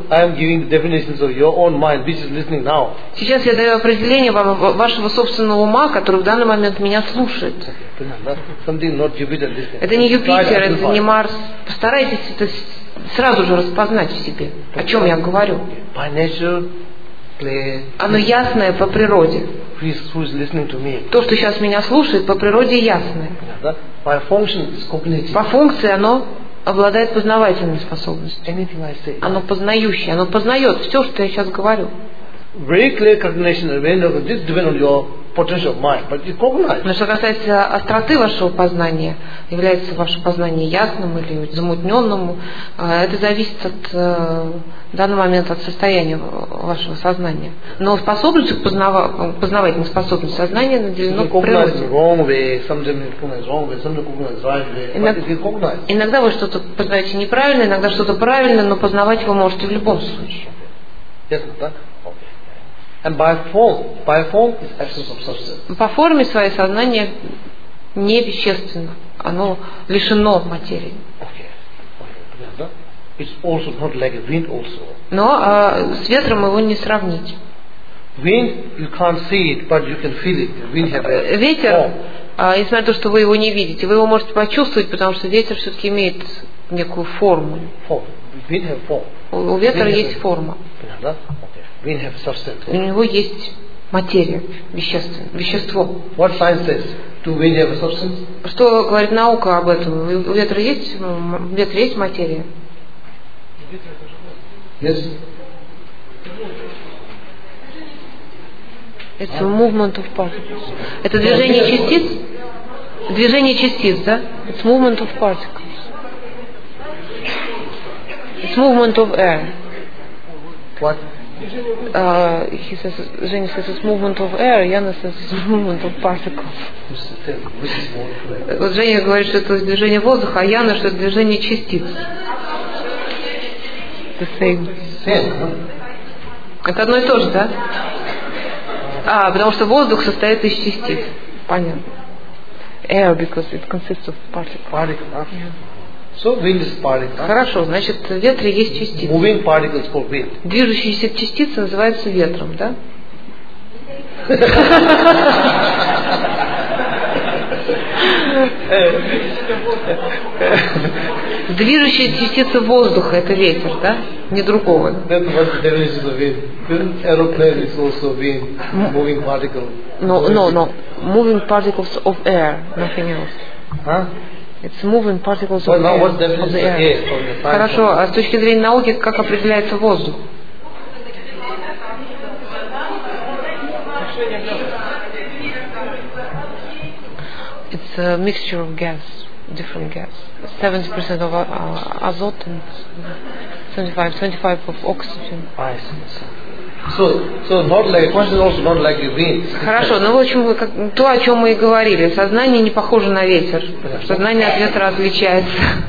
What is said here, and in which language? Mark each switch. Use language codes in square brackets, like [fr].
[en] I am giving definitions of your own mind, which is listening now. [ru] Сейчас я даю определение вам вашего собственного ума, который в данный момент меня слушает. [en] Something not Jupiter listening. [ru] Это не Юпитер, это не Марс. Постарайтесь это сразу же распознать в себе, о чем я говорю. [en] By nature, [ru] оно ясное по природе. [en] Who is listening to me? [ru] То, что сейчас меня слушает, по природе ясное. [en] By function, it's cognitive. [ru] По функции оно обладает познавательной способностью. [en] Anything I say. [ru] Оно познающее, оно познает все, что я сейчас говорю. [en] Very clear cognition, this depends on your potential mind, but it's cognized. [ru] Но что касается остроты вашего познания, является ваше познание ясным или замутненным, это зависит от данного момента, от состояния вашего сознания. Но способность познавательной способности сознания наделено природой. Иногда вы что-то познаете неправильно, иногда что-то правильно, но познавать вы можете в любом случае. [en] And by form is absence of substance. [ru] По форме своей сознание не вещественно, оно лишено материи. [en] Okay. It's also not like wind also. [ru] Но с ветром его не сравнить. [en] Wind you can't see it, but you can feel it. Wind have a form. [ru] Ветер, несмотря на то, что вы его не видите, вы его можете почувствовать, потому что ветер все-таки имеет некую форму. [en] Form. Wind have form. [ru] У ветра есть форма. [en] Wind have substance. [ru] У него есть материя, вещество. [en] What science says? Do wind have a substance? [ru] Что говорит наука об этом? У ветра есть материя? [en] Yes. It's a movement of particles. [ru] Это движение частиц? Движение частиц, да? [en] It's movement of particles. It's movement of air. What? He says, Женя says, it's movement of air, Яна says, it's movement of particles. [ru] Вот Женя говорит, что это движение воздуха, а Яна, что это движение частиц. [en] The same. [ru] Это одно и то же, да? Потому что воздух состоит из частиц. Понятно. [en] Air, because it consists of particles. Particles, [ru] да? [en] So wind is particle. [ru] Хорошо, значит, в ветре есть частицы. [en] Moving particles called wind. [ru] Движущиеся частицы называются ветром, да? Движущие частицы воздуха – это ветер, да? Не другого. [en] That's what the definition of wind. Aeroplane is also wind, moving particle. No. Moving particles of air, nothing else. Huh? It's moving particles of air. What's the definition of air? [ru] Хорошо, а с точки зрения науки, как определяется воздух? [en] It's a mixture of gas, different gas. 70% of azote and 25% of oxygen. I see. So not like question also not like the wind. [ru] Хорошо, ну в общем то, о чем мы и говорили. Сознание не похоже на ветер. Сознание от ветра отличается.